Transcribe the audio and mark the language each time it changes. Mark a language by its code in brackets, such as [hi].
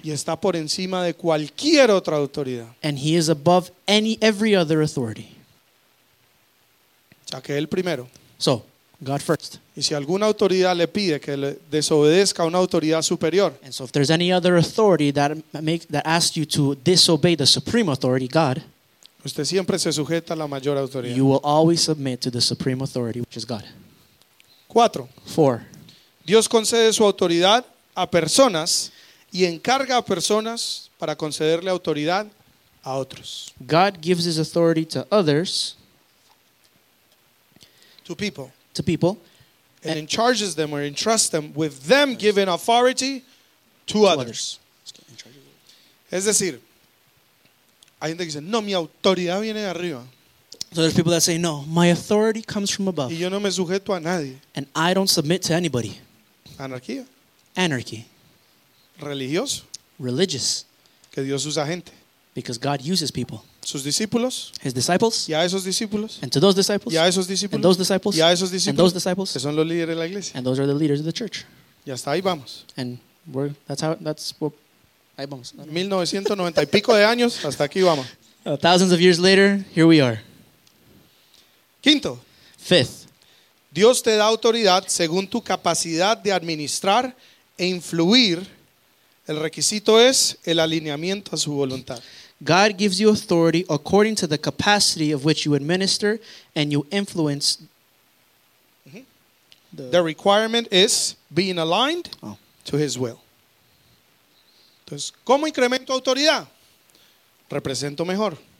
[es] Y está por encima de cualquier otra autoridad. [en] And he is above any every other authority. [es] Ya que él primero. [en] So, God first. [es] Y si alguna autoridad le pide que le desobedezca a una autoridad superior. [en] And so if there's any other authority that asks you to disobey the supreme authority, God. [es] Usted siempre se sujeta a la mayor autoridad. [en] You will always submit to the supreme authority, which is God. [es] Cuatro. [en] Four. [es] Dios concede su autoridad a personas y encarga a personas para concederle autoridad a otros. [en] God gives his authority to others. To people. To people. And charges them or entrusts them with them giving authority to others. [es] Es decir, hay gente que dice, no, mi autoridad viene de arriba. [en] So there's people that say, no, my authority comes from above. [es] Y yo no me sujeto a nadie. [en] And I don't submit to anybody. [es] Anarquía. [en] Anarchy. [es] Religioso. [en] Religious. [es] Que Dios usa gente. [en] Because God uses people. [es] Sus discípulos. [en] His disciples. [es] Y a esos discípulos. [en] And to those disciples. [es] Y a esos discípulos. [en] And those disciples. [es] Y a esos discípulos. [en] And those disciples. [es] Que son los líderes de la iglesia. [en] And those are the leaders of the church. [es] Y hasta ahí vamos. [en] And we're, that's what, [es] ahí vamos. 1990 y pico de años, hasta aquí vamos. [en] Thousands of years later, here we are. [es] Quinto. [en] Fifth. [es] Dios te da autoridad según tu capacidad de administrar e influir. El requisito es el alineamiento a su voluntad. [en] God gives you authority according to the capacity of which you administer and you influence. The requirement is being aligned to his will. [es] Entonces, ¿cómo incremento autoridad? Represento mejor.